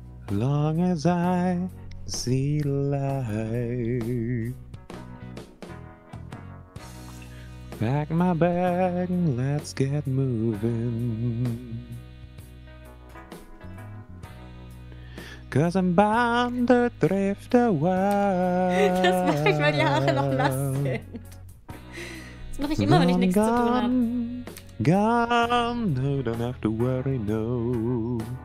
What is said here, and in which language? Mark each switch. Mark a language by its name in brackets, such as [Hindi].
[English] Long as I see light. Pack my bag, let's get moving. Cause I'm bound to drift away. [German] Das mache ich, weil die Haare noch nass sind. Das mache ich immer, wenn ich nichts zu tun habe. [English] Gone, no, don't have to worry, no.